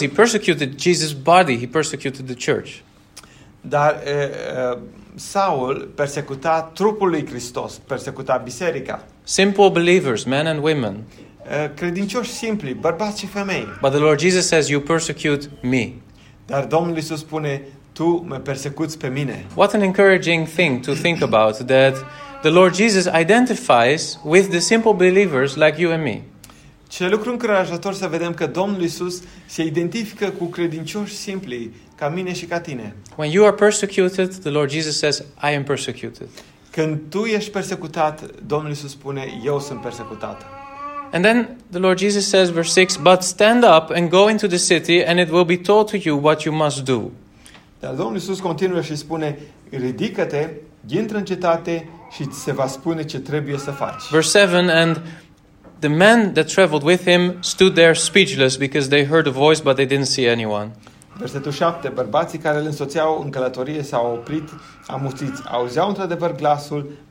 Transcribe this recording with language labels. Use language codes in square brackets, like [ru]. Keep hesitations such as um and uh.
[en] he persecuted Jesus' body. He persecuted the church. [ro] Dar Saul persecuta trupul lui Hristos, persecuta biserica. [en] Simple believers, men and women. [ro] credincioși simpli, bărbați femei. [en] But the Lord Jesus says, you persecute me. [ro] Dar Domnul Isus spune, tu mă persecuți pe mine. [en] What an encouraging thing to think about that the Lord Jesus identifies with the simple believers like you and me. [ro] Ce lucru încurajator să vedem că Domnul Isus se identifică cu credincioși simpli, ca mine și ca tine. [en] When you are persecuted, the Lord Jesus says, I am persecuted. [ro] Când tu ești persecutat, Domnul Isus spune, eu sunt persecutat. [en] And then the Lord Jesus says, verse 6, But stand up and go into the city, and it will be told to you what you must do. [ro] Dar Domnul Isus continuă și spune, ridică-te, intră în cetate și ți se va spune ce trebuie să faci. [en] Verse 7, and the men that traveled with him stood there speechless because they heard a voice but they didn't see anyone. [ro] 7, în oprit, amuțiți, glasul,